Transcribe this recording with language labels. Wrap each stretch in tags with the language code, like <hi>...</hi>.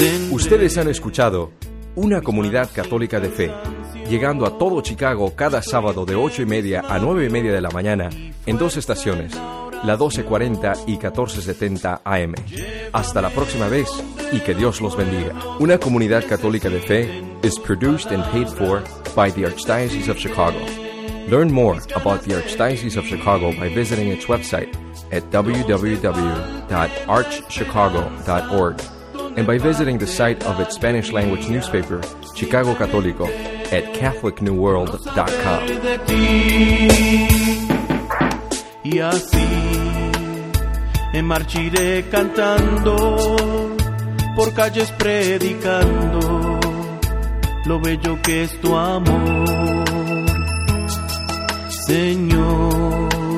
<es>Ustedes han escuchado Una Comunidad Católica de Fe, llegando a todo Chicago cada sábado de 8:30 a 9:30 de la mañana en 2 estaciones, la 1240 y 1470 AM. Hasta la próxima vez y que Dios los bendiga.</es> <en>Una Comunidad Católica de Fe is produced and paid for by the Archdiocese of Chicago. Learn more about the Archdiocese of Chicago by visiting its website at www.archchicago.org and by visiting the site of its Spanish language newspaper, Chicago Católico, at catholicnewworld.com.</en> <es>Y así me marcharé cantando por calles predicando lo bello que es tu amor, Señor.</es>